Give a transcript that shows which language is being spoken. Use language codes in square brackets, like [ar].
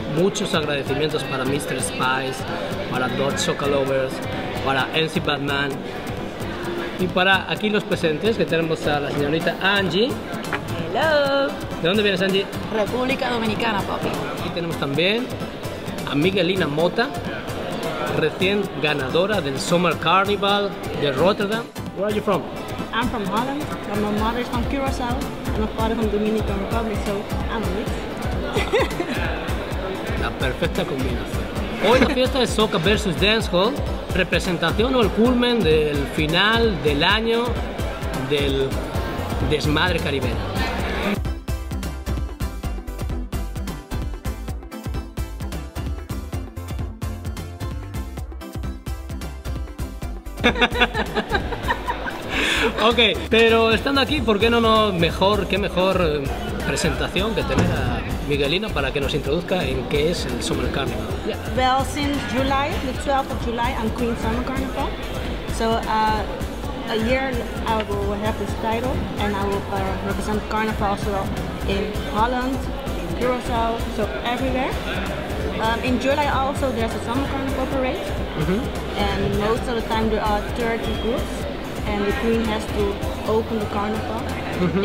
[es] Muchos agradecimientos para Mr. Spice, para Dutch Soca Lovers, para MC Batman y para aquí los presentes, que tenemos a la señorita Angie. [en] Hello. [es] ¿De dónde vienes, Angie? República Dominicana, papi. Aquí tenemos también a Miguelina Mota, recién ganadora del Summer Carnival de Rotterdam. [en] Where are you from? I'm from Holland, and my mother's from Curacao, and my father's from Dominican Republic, so I'm a mix. [es] La perfecta combinación. Hoy la fiesta de Soca versus Dancehall, representación o el culmen del final del año del desmadre caribeño. Ok, pero estando aquí, ¿por qué no, qué mejor presentación que tener a Miguelina para que nos introduzca en qué es el Summer Carnival? [en] Yeah. Well, since July, the 12th of July, I'm Queen Summer Carnival. So a year I will have this title, and I will represent Carnival as well in Holland, in Curacao, so everywhere. In July also there's a Summer Carnival parade, and most of the time there are 30 groups, and the Queen has to open the carnival. Mm-hmm.